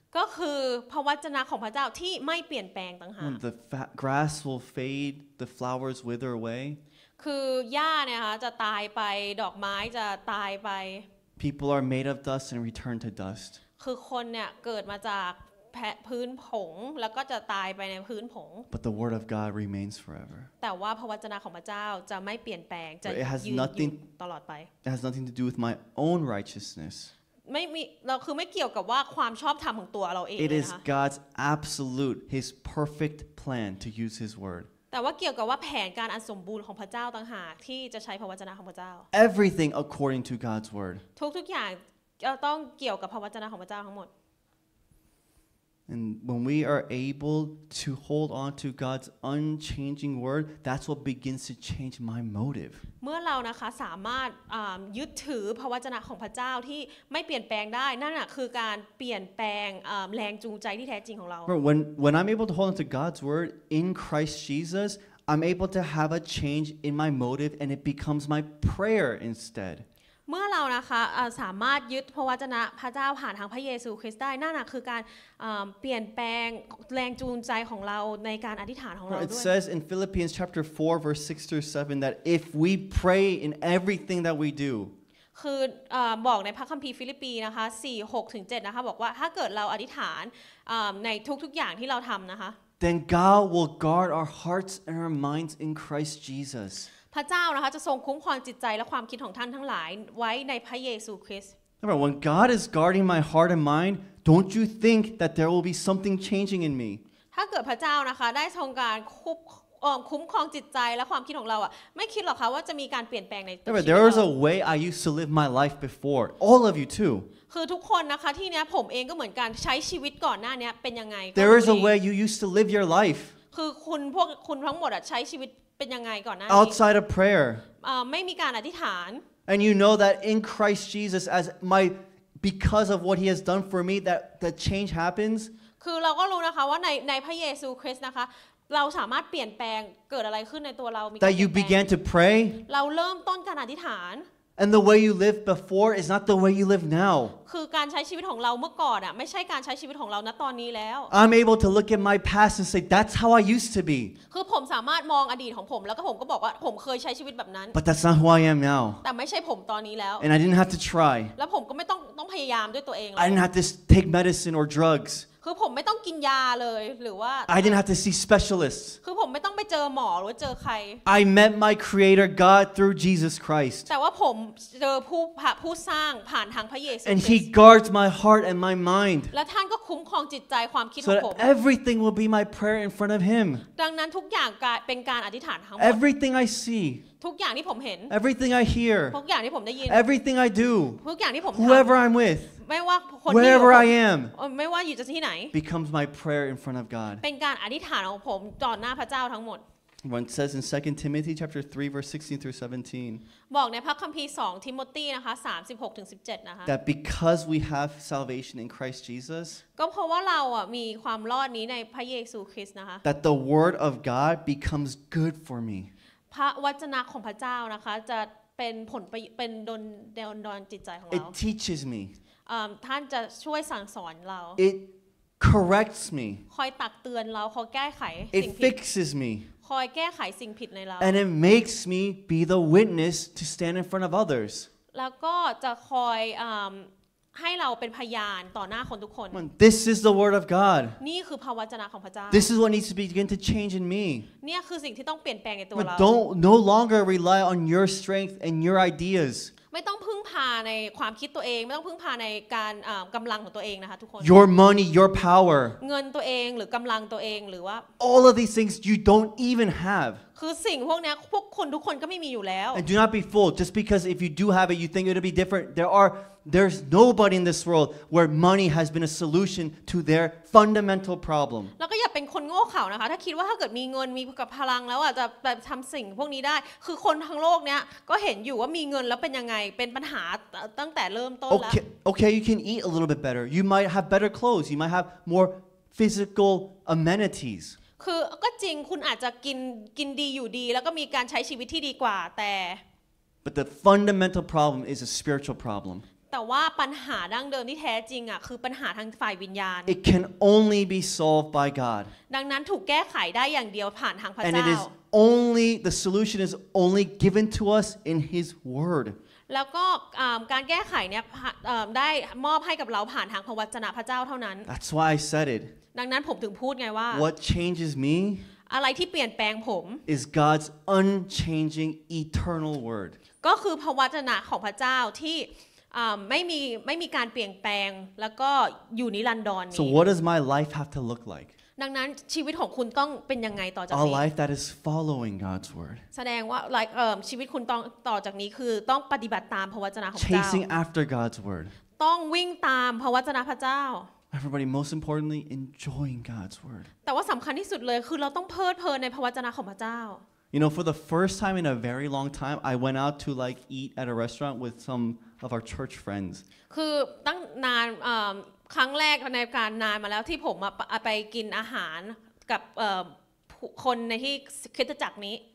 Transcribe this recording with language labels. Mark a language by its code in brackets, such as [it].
[th] ก็คือพระวจนะของพระเจ้าที่ไม่เปลี่ยนแปลงต่างหาก [en] The grass will fade the flowers wither away [th] คือหญ้าเนี่ยค่ะจะตายไปดอกไม้จะตายไป [en] People are made of dust and return to dust. [th] คือคนเนี่ยเกิดมาจากพื้นผงแล้วก็จะตายไปในพื้นผง [en] But the word of God remains forever. [th] แต่ว่าพระวจนะของพระเจ้าจะไม่เปลี่ยนแปลงจะ [en] It has nothing [th] ตลอดไป [en] It has nothing to do with my own righteousness. [th] ไม่มีเราคือไม่เกี่ยวกับว่าความชอบธรรมของตัวเราเองนะคะ [en] It is God's absolute his perfect plan to use his word. [th] แต่ว่าเกี่ยวกับว่าแผนการอันสมบูรณ์ของพระเจ้าต่างหากที่จะใช้พระวจนะของพระเจ้า [en] Everything according to God's word [th] ทุกอย่างจะต้องเกี่ยวกับพระวจนะของพระเจ้าทั้งหมด [en] And when we are able to hold on to God's unchanging word that's what begins to change my motive [th] เมื่อเรานะคะสามารถยึดถือพระวจนะของพระเจ้าที่ไม่เปลี่ยนแปลงได้นั่นน่ะคือการเปลี่ยนแปลงแรงจูงใจที่แท้จริงของเรา [en] When I'm able to hold on to God's word in Christ Jesus I'm able to have a change in my motive and it becomes my prayer instead [th] เมื่อเรานะคะสามารถยึดพระวจนะพระเจ้าผ่านทางพระเยซูคริสต์ได้นั่นน่ะคือการเปลี่ยนแปลงแรงจูงใจของเราในการอธิษฐานของเราด้วย [en] It says in Philippians chapter 4 verse 6 through 7 that if we pray in everything that we do [th] คือบอกในพระคัมภีร์ฟิลิปปีนะคะ4 6ถึง7นะคะบอกว่าถ้าเกิดเราอธิษฐานในทุกๆอย่างที่เราทำนะคะ [en] Then God will guard our hearts and our minds in Christ Jesus [th] พระเจ้านะคะจะทรงคุ้มครองจิตใจและความคิดของท่านทั้งหลายไว้ในพระเยซูคริสต์ [en] Remember when God is guarding my heart and mindDon't you think that there will be something changing in me? [th] ถ้าเกิดพระเจ้านะคะได้ทรงการคุ้มครองจิตใจและความคิดของเราอ่ะไม่คิดหรอกค่ะว่าจะมีการเปลี่ยนแปลงในตัวเรา [en] There is a way I used to live my life before. All of you too. [th] คือทุกคนนะคะที่เนี้ยผมเองก็เหมือนกันใช้ชีวิตก่อนหน้าเนี้ยเป็นยังไง [en] There is a way you used to live your life. [th] คือคุณทั้งหมดอ่ะใช้ชีวิตเป็นยังไงก่อนหน้านี้ [en] Outside of prayer. [th] ไม่มีการอธิษฐาน [en] And you know that in Christ Jesus as myBecause of what he has done for me that the change happens [th] คือเราก็รู้นะคะว่าในพระเยซูคริสต์นะคะเราสามารถเปลี่ยนแปลงเกิดอะไรขึ้นในตัวเรามี [en] That you began to pray [th] เราเริ่มต้นการอธิษฐาน [en] And the way you lived before is not the way you live now [th] คือการใช้ชีวิตของเราเมื่อก่อนอ่ะไม่ใช่การใช้ชีวิตของเราณตอนนี้แล้ว [en] I'm able to look at my past and say that's how I used to be [th] คือผมสามารถมองอดีตของผมแล้วก็ผมก็บอกว่าผมเคยใช้ชีวิตแบบนั้น [en] But that's not who I am now [th] แต่ไม่ใช่ผมตอนนี้แล้ว [en] And I didn't have to try [th] แล้วผมก็ไม่ต้องพยายามด้วยตัวเอง หรอก [en] I didn't have to take medicine or drugs [th] คือผมไม่ต้องกินยาเลยหรือว่า [en] I didn't have to see specialists [th] คือผมไม่ต้องไปเจอหมอหรือเจอใคร [en] I met my creator God through Jesus Christ [th] แต่ว่าผมเจอผู้สร้างผ่านทางพระเยซู [en] And he guards my heart and my mind [th] และท่านก็คุ้มครองจิตใจความคิดของผม [en] So everything will be my prayer in front of him [th] ดังนั้นทุกอย่างเป็นการอธิษฐานทั้งหมด [en] Everything I see [th] ทุกอย่างที่ผมเห็น [en] Everything I hear [th] ทุกอย่างที่ผมได้ยิน [en] Everything I do [th] ทุกอย่างที่ผมทำ [en] Whoever I'm with [th] ไม่ว่าคนที่อยู่ [en] Wherever I am [th] ไม่ว่าอยู่ที่ไหน [en] becomes my prayer in front of God [th] เป็นการอธิษฐานของผมต่อหน้าพระเจ้าทั้งหมด [en] When it says in 2 Timothy chapter 3 verse 16 through 17 [th] บอกในพระคัมภีร์2ทิโมธีนะคะ36ถึง17นะคะ [en] That because we have salvation in Christ Jesus [th] ก็เพราะว่าเราอ่ะมีความรอดนี้ในพระเยซูคริสต์นะคะ [en] That the word of God becomes good for me [th] พระวจนะของพระเจ้านะคะจะเป็นผลเป็นดลดลจิตใจของเรา [en] It teaches me [th] ท่านจะช่วยสั่งสอนเรา [en] It corrects me [th] คอยตักเตือนเราคอยแก้ไขสิ่งผิด [en] It fixes me [th] คอยแก้ไขสิ่งผิดในเรา [en] And it makes me be the witness to stand in front of others [th] แล้วก็จะคอยให้เราเป็นพยานต่อหน้าคนทุกคน [en] This is the word of God [th] นี่คือพระวจนะของพระเจ้า [en] This is what needs to begin to change in me [th] เนี่ยคือสิ่งที่ต้องเปลี่ยนแปลงในตัวเรา [en] Don't no longer rely on your strength and your ideas [th] ไม่ต้องพึ่งพาในความคิดตัวเองไม่ต้องพึ่งพาในการกำลังของตัวเองนะคะทุกคน [en] Your money your power [th] เงินตัวเองหรือกำลังตัวเองหรือว่า [en] All of these things you don't even have [th] คือสิ่งพวกนี้พวกคนทุกคนก็ไม่มีอยู่แล้ว [en] And do not be fooled just because if you do have it you think it'll be different there's nobody in this world where money has been a solution to their fundamental problem [th] แล้วก็อย่าเป็นคนโง่เขานะคะถ้าคิดว่าถ้าเกิดมีเงินมีกับพลังแล้วอ่ะจะแบบทําสิ่งพวกนี้ได้คือคนทั้งโลกเนี้ยก็เห็นอยู่ว่ามีเงินแล้วเป็นยังไงเป็นปัญหาตั้งแต่เริ่มต้นแล้ว [en] Okay you can eat a little bit better you might have better clothes you might have more physical amenities [th] คือก็จริงคุณอาจจะกินดีอยู่ดีแล้วก็มีการใช้ชีวิตที่ดีกว่าแต่ [en] But the fundamental problem is a spiritual problem [th] แต่ว่าปัญหาดั้งเดิมที่แท้จริงอ่ะคือปัญหาทางฝ่ายวิญญาณ [en] It can only be solved by God [th] ดังนั้นถูกแก้ไขได้อย่างเดียวผ่านทางพระเจ้า [en] And it is only the solution is only given to us in his word [th] แล้วก็การแก้ไขเนี่ยได้มอบให้กับเราผ่านทางพระวจนะพระเจ้าเท่านั้น [en] That's why I said it [th] ดังนั้นผมถึงพูดไงว่า [en] What changes me? [th] อะไรที่เปลี่ยนแปลงผม [en] is God's unchanging eternal word [th] ก็คือพระวจนะของพระเจ้าที่ไม่มีการเปลี่ยนแปลงแล้วก็อยู่นิรันดรนี้ [en] So what does my life have to look like? [th] ดังนั้นชีวิตของคุณต้องเป็นยังไงต่อจาก [en] นี้ A life that is following God's word [th] แสดงว่า like ชีวิตคุณต่อจากนี้คือต้องปฏิบัติตามพระวจนะของพระเจ้า [en] Chasing after God's word [th] ต้องวิ่งตามพระวจนะพระเจ้า [en] Everybody, most importantly, enjoying God's word. [th] แต่ว่าสำคัญที่สุดเลยคือเราต้องเพลิดเพลินในพระวจนะของพระเจ้า [en] You know, for the first time in a very long time, I went out to like eat at a restaurant with some of our church friends. [th] คือตั้งนานครั้งแรกในการนานมาแล้วที่ผมไปกินอาหารกับคนในที่คริสตจักรนี้